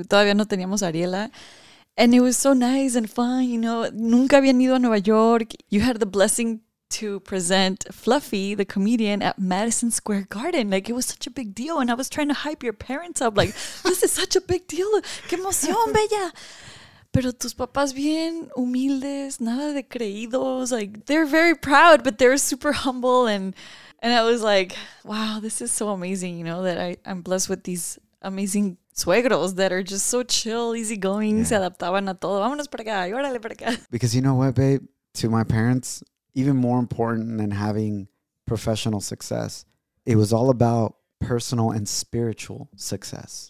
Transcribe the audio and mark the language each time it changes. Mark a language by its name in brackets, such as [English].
[Spanish] Todavía no teníamos Ariela. [English] And it was so nice and fun. You know, [Spanish] nunca habían ido a Nueva York. [English] You had the blessing to present Fluffy, the comedian, at Madison Square Garden. Like, it was such a big deal. And I was trying to hype your parents up. Like, this is such a big deal. [Spanish] ¡Qué emoción, bella! Pero tus papás bien humildes, nada de creídos. [English] Like, they're very proud, but they're super humble. And I was like, wow, this is so amazing, you know, that I'm blessed with these amazing suegros that are just so chill, easygoing, yeah. [Spanish] Se adaptaban a todo. Vámonos para acá, y órale para acá. [English] Because you know what, babe? To my parents, even more important than having professional success, it was all about personal and spiritual success.